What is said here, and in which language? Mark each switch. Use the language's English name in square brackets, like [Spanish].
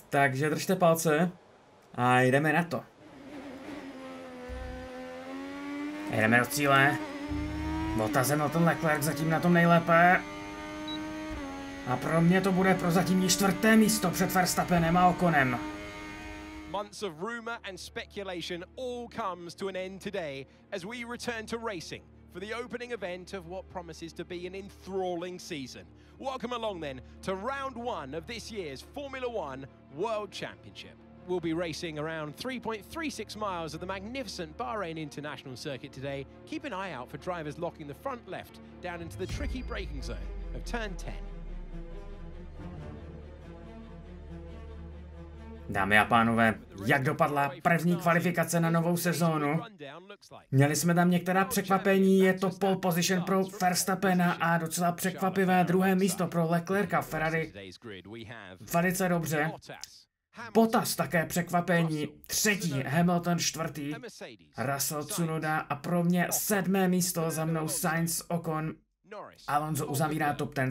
[Czech] Takže držte palce a jdeme na to. Jdeme do cíle. Bottas Hamilton Leclerc zatím na tom nejlépe. A pro mě to bude prozatímní čtvrté místo před Verstappenem a Okonem. [English] Months of rumor and speculation all comes to an end today as we return to racing for the opening event of what promises to be an enthralling season. Welcome along then to round one of this year's Formula One World Championship. We'll be racing around 3.36 miles of the magnificent Bahrain International Circuit today. Keep an eye out for drivers locking the front left down into the tricky braking zone of Turn 10. [Czech] Dámy a pánové, jak dopadla první kvalifikace na novou sezónu? Měli jsme tam některá překvapení, je to pole position pro Verstappena a docela překvapivé druhé místo pro Leclerca. Ferrari velice dobře. Bottas také překvapení, třetí, Hamilton čtvrtý, Russell Tsunoda a pro mě sedmé místo, za mnou Sainz, Ocon, Alonso uzavírá top ten.